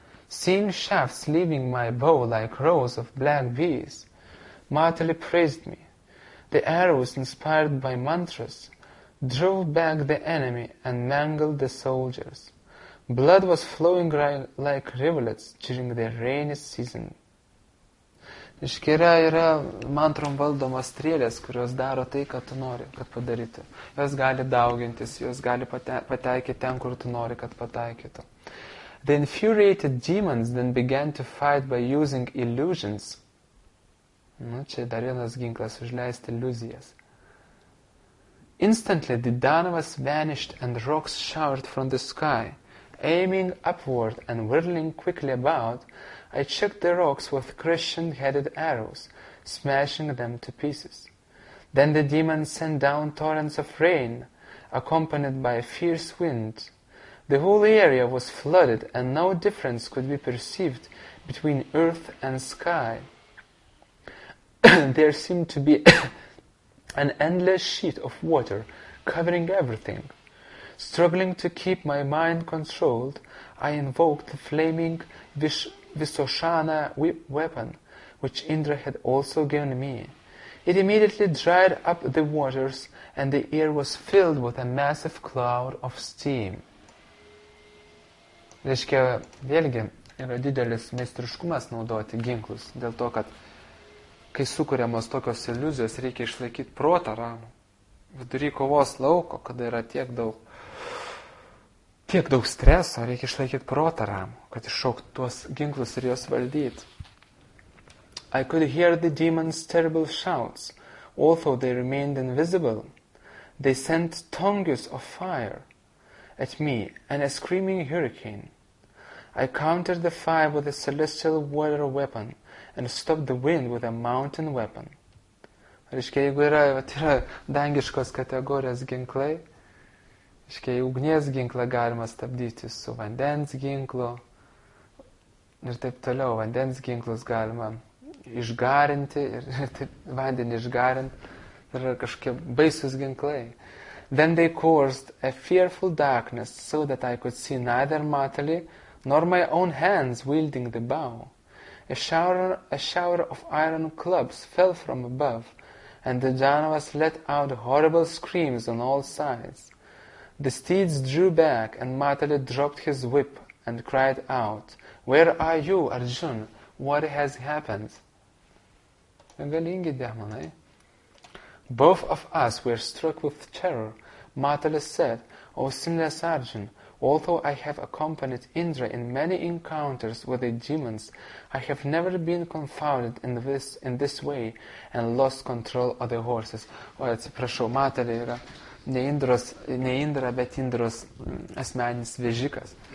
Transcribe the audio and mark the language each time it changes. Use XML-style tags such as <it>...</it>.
<en>Seeing shafts leaving my bow like rows of black bees, Matali praised me. The arrows, inspired by mantras, drove back the enemy and mangled the soldiers. Blood was flowing like rivulets during the rainy season.</en> <lt>Reiškia, yra mantrom valdomos strėlės, kurios daro tai, ką tu nori, kad padarytų. Jos gali daugintis, jos gali pateikti ten, kur tu nori, kad pataikytų.</lt> <en>The infuriated demons then began to fight by using illusions.</en> <lt>Nu, čia dar vienas ginklas, užleisti iliuzijas.</lt> <en>Instantly, the Danavas vanished and rocks showered from the sky. Aiming upward and whirling quickly about, I checked the rocks with Christian-headed arrows, smashing them to pieces. Then the demons sent down torrents of rain, accompanied by a fierce wind. The whole area was flooded, and no difference could be perceived between earth and sky. There seemed to be an endless sheet of water covering everything. Struggling to keep my mind controlled, I invoked the flaming Visoshana weapon, which Indra had also given me. It immediately dried up the waters, and the air was filled with a massive cloud of steam.</en> <lt>Reiškia, vėlgi, yra didelis meistriškumas naudoti ginklus, dėl to, kad kai sukuriamos tokios iliuzijos, reikia išlaikyti protą ramų. Vidury kovos lauko, kada yra tiek daug streso, reikia išlaikyti protą ramų, kad iššauktų tuos ginklus ir juos valdyti.</lt> <en>I could hear the demons' terrible shouts, although they remained invisible. They sent tongues of fire at me and a screaming hurricane. I countered the fire with a celestial water weapon and stopped the wind with a mountain weapon.</en> <lt>Reiškia, jeigu yra dangiškos kategorijos ginklai, reiškia, ugnies ginklą galima stabdyti su vandens ginklu ir taip toliau, vandens ginklus galima išgarinti ir taip vandenį išgarinti, ir yra kažkokie baisūs ginklai.</lt> <en>Then they caused a fearful darkness so that I could see neither Matali nor my own hands wielding the bow. A shower of iron clubs fell from above, and the Janavas let out horrible screams on all sides. The steeds drew back, and Matali dropped his whip and cried out, "Where are you, Arjun? What has happened?"</en> <lt>Galingi demonai.</lt> <en>Both of us were struck with terror. Matali said, "O sinless Arjun, although I have accompanied Indra in many encounters with the demons, I have never been confounded in this way and lost control of the horses."</en> <lt>O, atsiprašau, Matali yra ne Indra, bet Indros asmeninis vežikas.</lt>